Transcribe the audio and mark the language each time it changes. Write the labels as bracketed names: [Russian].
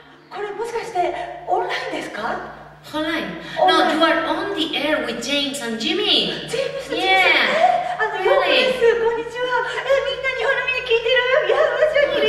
[Japanese] もしかしてオンラインですか？オンライン。 [English] No, you are on the air with James and Jimmy. [Japanese] James and Jimmy. あの、ヨコです。こんにちは。みんな日本の耳聞いてる？